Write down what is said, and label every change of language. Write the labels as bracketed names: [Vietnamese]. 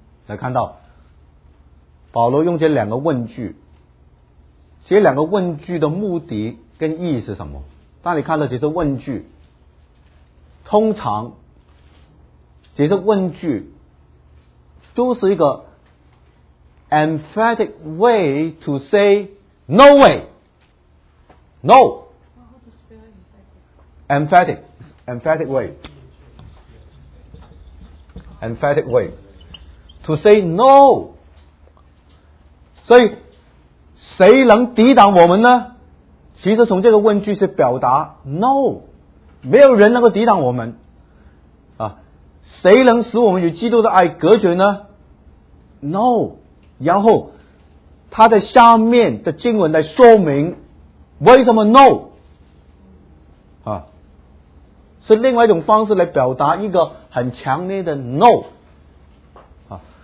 [Chinese] 来看到保罗用这两个问句，这两个问句的目的跟意义是什么？当你看到这些问句，通常这些问句都是一个 [English] emphatic way to say no way。 No, emphatic, emphatic way, emphatic way to say no. [Chinese] 所以谁能抵挡我们呢？其实从这个问句是表达 no, 没有人能够抵挡我们啊。谁能使我们与基督的爱隔绝呢？ [English] No. [Chinese] 然后他的下面的经文来说明为什么 no 啊，是另外一种方式来表达一个很强烈的 no 啊。